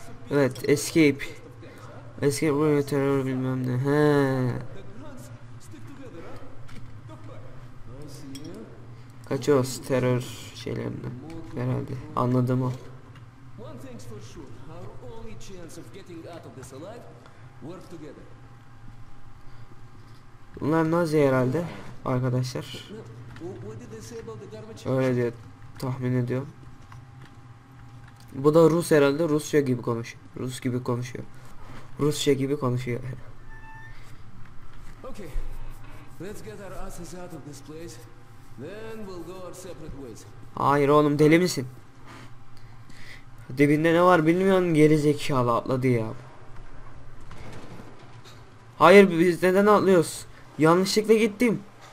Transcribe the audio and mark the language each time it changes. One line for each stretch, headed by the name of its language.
Turkish: Evet, escape. Escape room terör bilmem ne. He. Kaçıyoruz terör şeylerinden herhalde, anladım o.
English: One thing for sure, our only chance of getting out of this alive, work together.
Turkish: Bunlar Nazi herhalde arkadaşlar. Öyle diye tahmin ediyorum. Bu da Rus herhalde, Rusya gibi konuşuyor. Rus gibi konuşuyor. Rusça gibi konuşuyor.
English: Okay. Let's get our asses out of this place. Then we'll go our separate ways.
Turkish: Hayır oğlum, deli misin? Dibinde ne var bilmiyorsun, gerizekalı atladı ya. Hayır, biz neden atlıyoruz? Yanlışlıkla gittim.